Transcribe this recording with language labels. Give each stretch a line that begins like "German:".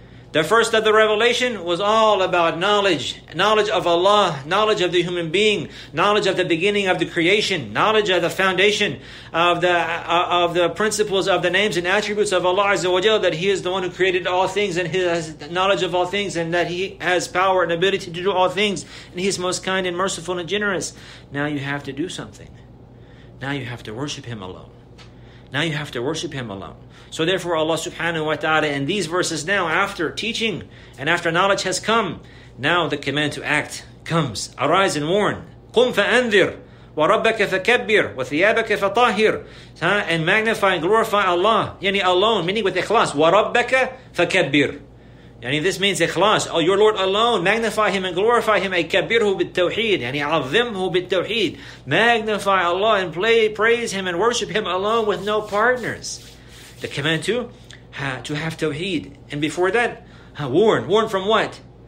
English: The first of the revelation was all about knowledge. Knowledge of Allah, knowledge of the human being, knowledge of the beginning of the creation, knowledge of the foundation of the principles of the names and attributes of Allah Azza wa Jalla, that He is the one who created all things and He has knowledge of all things and that He has power and ability to do all things and He is most kind and merciful and generous. Now you have to do something. Now you have to worship Him alone. Now you have to worship Him alone. So therefore Allah subhanahu wa ta'ala in these verses now, after teaching and after knowledge has come, now the command to act comes. Arise and warn.
Arabic: قُمْ فَأَنذِرْ وَرَبَّكَ فَكَبِّرْ وَثِيَابَكَ فَطَاهِرْ
English: And magnify and glorify Allah. Yani alone, meaning with ikhlas.
Arabic: وَرَبَّكَ فَكَبِّرْ
English: Yani this means ikhlas. Oh, your Lord alone, magnify Him and glorify Him.
Arabic: أَيْكَبِّرْهُ بِالتَّوْحِيدِ
English: Yani
Arabic: عَظِّمْهُ بِالتَّوْحِيدِ
English: Magnify Allah and praise Him and worship Him alone with no partners. The command to have tawheed. And before that, warn. Warn from what?